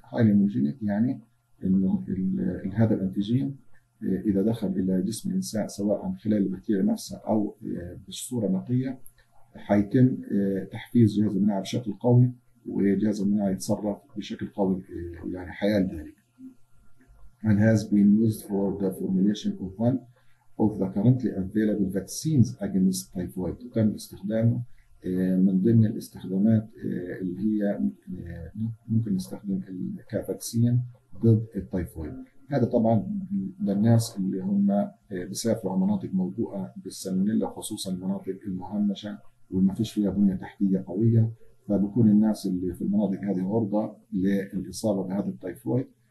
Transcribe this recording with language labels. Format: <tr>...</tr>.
<ar>هايلي اميونوجينيك يعني انه هذا الانتيجين اذا دخل الى جسم الانسان سواء عن خلال البكتيريا نفسها او بصوره نقيه حيتم تحفيز جهاز المناعه بشكل قوي، وجهاز المناعه يتصرف بشكل قوي يعني حيال ذلك.</ar> <en>And has been used for the formulation of one of the currently available vaccines against typhoid.</en> <ar>تم استخدامه من ضمن الاستخدامات اللي هي ممكن نستخدم كفاكسين ضد التايفويد. هذا طبعا للناس اللي هم بيسافروا على مناطق موبوءه بالسلمونيلا، خصوصا المناطق المهمشه وما فيش فيها بنيه تحتيه قويه، فبكون الناس اللي في المناطق هذه عرضه للاصابه بهذا التايفويد.</ar>